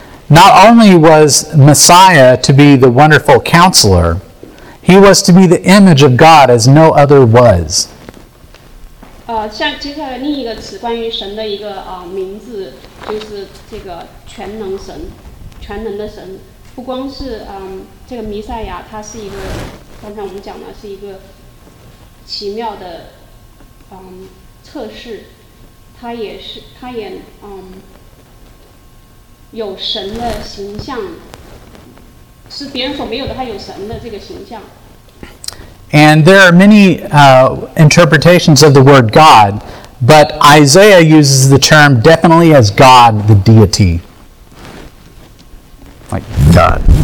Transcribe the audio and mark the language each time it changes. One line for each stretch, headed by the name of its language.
English: Not only was Messiah to be the wonderful counselor, he was to be the image of God as no other was.
Chinese: 像接下来另一个词关于神的一个名字, 就是这个全能神, 全能的神, 不光是, 这个弥赛亚, 他是一个, 刚才我们讲的, 是一个奇妙的, 测试, 他也是, 他也, 有神的形象, 是别人所没有的, 他有神的这个形象。
English: And there are many interpretations of the word God, but Isaiah uses the term definitely as God, the deity. Like God.